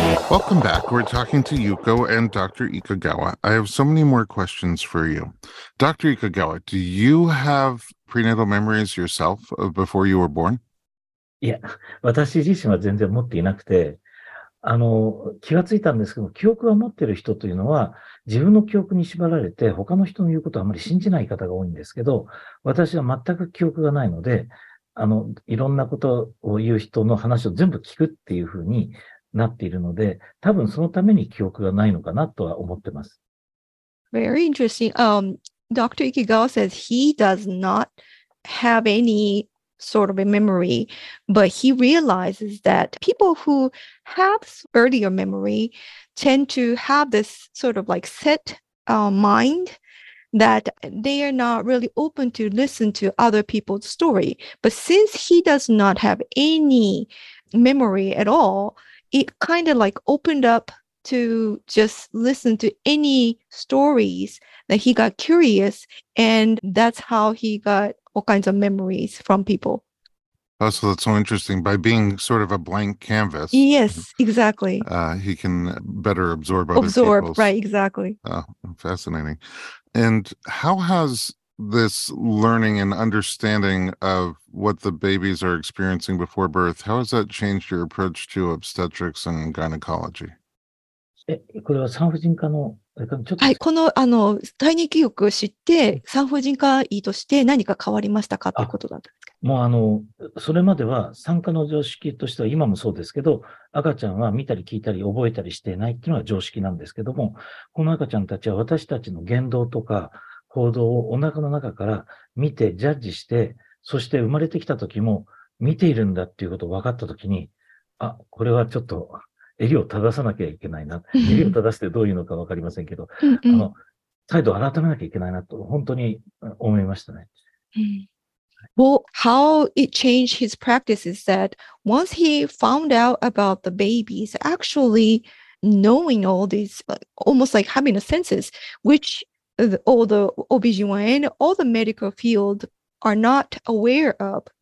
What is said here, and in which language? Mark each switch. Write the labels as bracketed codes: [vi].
[en] Welcome back. We're talking to Yuko and Dr. Ikagawa. I have so many more questions for you. Dr. Ikagawa, do you have prenatal memories yourself of before you were born? [ja] Yeah, 私自身は全然持っていなくて、気がついたんですけど、記憶を持っている人というのは、自分の記憶に縛られて、他の人の言うことをあまり信じない方が多いんですけど、私は全く記憶がないので、いろんなことを言う人の話を全部聞くっていうふうに、なっているので、多分そのために記憶がないのかなとは思ってます。 [en] Very interesting. Dr. Ikigawa says he does not have any sort of a memory, but he realizes that people who have earlier memory tend to have this sort of like set mind that they are not really open to listen to other people's story. But since he does not have any memory at all,It kind of like opened up to just listen to any stories that he got curious, and that's how he got all kinds of memories from people. Oh, so that's so interesting. By being sort of a blank canvas. Yes, exactly. He can better absorb other absorb, people's. Right, exactly. Oh, fascinating. And how has this learning and understanding of what the babies are experiencing before birth, how has that changed your approach to obstetrics and gynecology? [ja] これは産婦人科の、ちょっと、はい、この、体内記憶を知って産婦人科医として何か変わりましたかということだったんですか？もうそれまでは産科の常識としては今もそうですけど、赤ちゃんは見たり聞いたり覚えたりしてないっていうのが常識なんですけども、この赤ちゃんたちは私たちの言動とか行動をお腹の中から見てジャッジして、そして生まれてきた時も見ているんだっていうことを分かった時に、あ、これはちょっと襟を正さなきゃいけないな。襟を正してどういうのか分かりませんけど、態度を改めなきゃいけないなと本当に思いましたね。 [en] Well, how it changed his practice is that once he found out about the babies, actually knowing all these, almost like having a census, which all the OBGYN, all the medical field are not aware of.